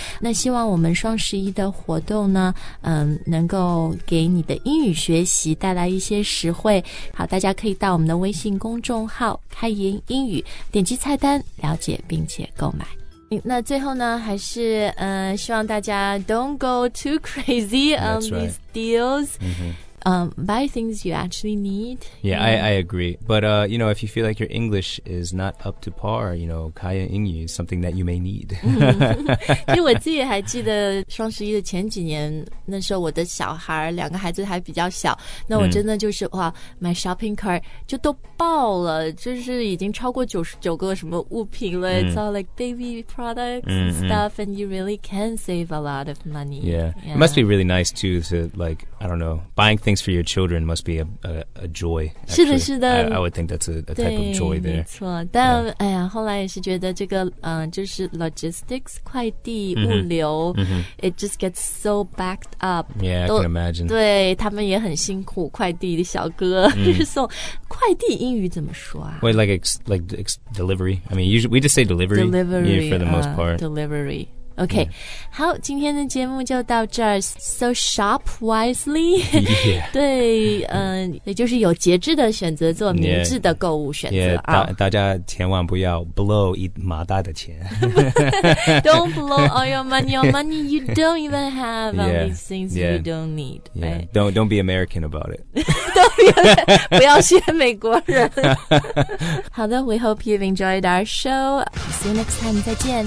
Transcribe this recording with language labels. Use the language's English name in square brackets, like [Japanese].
[Chinese] 那希望我们双十一的活动。能够给你的英语学习带来一些实惠好大家可以到我们的微信公众号开言英语点击菜单了解并且购买那最后呢还是、希望大家 [English] don't go too crazy on、 right. these deals、 mm-hmm. buy things you actually need yeah I agree but、you know if you feel like your English is not up to par you know 开言英语 is something that you may need [Chinese] 其实我自己还记得双十一的前几年那时候我的小孩两个孩子还比较小那我真的就是、哇买 shopping cart 就都爆了就是已经超过99个什么物品了、 [English] It's all like baby products and stuff and you really can save a lot of money yeah, yeah. it must be really nice too to like I don't know buyingthings for your children must be a joy、actually. [Chinese] 是的是的 [English] I would think that's a type of joy there [Chinese] 没错但、yeah. 哎呀后来也是觉得这个、就是 logistics 快递、mm-hmm. 物流、mm-hmm. [English] it just gets so backed up yeah I can imagine [Chinese] 对他们也很辛苦快递的小哥、送快递英语怎么说啊 [English] wait like delivery I mean usually we just say delivery yeah, for the most part deliveryOK,、yeah. [Chinese] 好今天的节目就到这儿 [English] So shop wisely、 yeah. [Chinese] 对、也就是有节制的选择做明智的购物选择 yeah, yeah,、大家千万不要 blow 一麻袋的钱 [English] Don't blow all your money you don't even have all yeah, these things yeah, you don't need、 yeah. don't be American about it [Chinese] 不要学美国人。 [English] 好的 ，We hope you've enjoyed our show. See you next time. [Chinese] 再见。